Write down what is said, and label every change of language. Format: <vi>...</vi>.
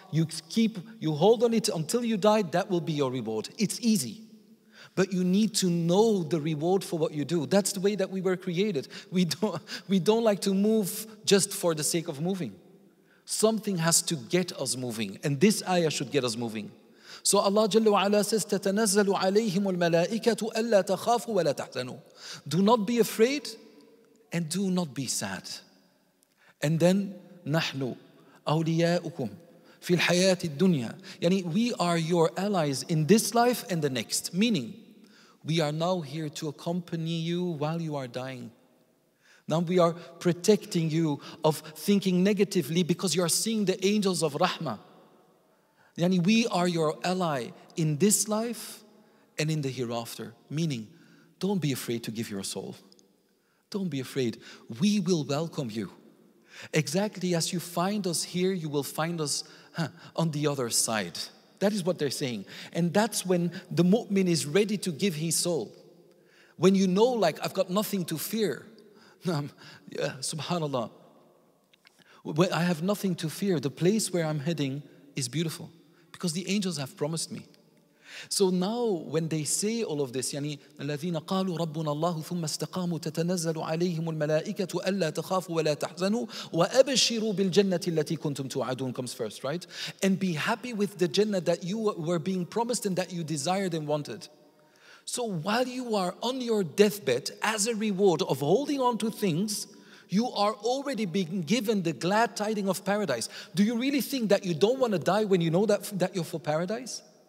<en>You hold on it until you die, that will be your reward. It's easy. But you need to know the reward for what you do. That's the way that we were created. We don't like to move just for the sake of moving. Something has to get us moving, and this ayah should get us moving. So Allah Jalla wa Ala says,</en> <ar>تَتَنَزَّلُ عَلَيْهِمُ الْمَلَائِكَةُ أَلَّا تَخَافُوا وَلَا تَحْزَنُوا.</ar> <en>Do not be afraid and do not be sad. And then,</en> <ar>نَحْنُ أَوْلِيَاؤُكُمْ فِي الْحَيَاةِ الدُّنْيَا.</ar> <en>Yani, we are your allies in this life and the next. Meaning, we are now here to accompany you while you are dying. Now we are protecting you of thinking negatively because you are seeing the angels of Rahmah. Yani, we are your ally in this life and in the hereafter. Meaning, don't be afraid to give your soul. Don't be afraid. We will welcome you. Exactly as you find us here, you will find us on the other side. That is what they're saying. And that's when the mu'min is ready to give his soul. When you know, like, I've got nothing to fear. Yeah, subhanAllah. I have nothing to fear. The place where I'm heading is beautiful because the angels have promised me. So now when they say all of this,</en> <ar>يعني الذين قالوا ربنا الله ثم استقاموا تتنزل عليهم الملائكة ألا تخافوا ولا تحزنوا وأبشروا بالجنة التي كنتم توعدون</ar> <en>comes first, right? And be happy with the Jannah that you were being promised and that you desired and wanted. So while you are on your deathbed as a reward of holding on to things, you are already being given the glad tiding of paradise. Do you really think that you don't want to die when you know that you're for paradise?</en>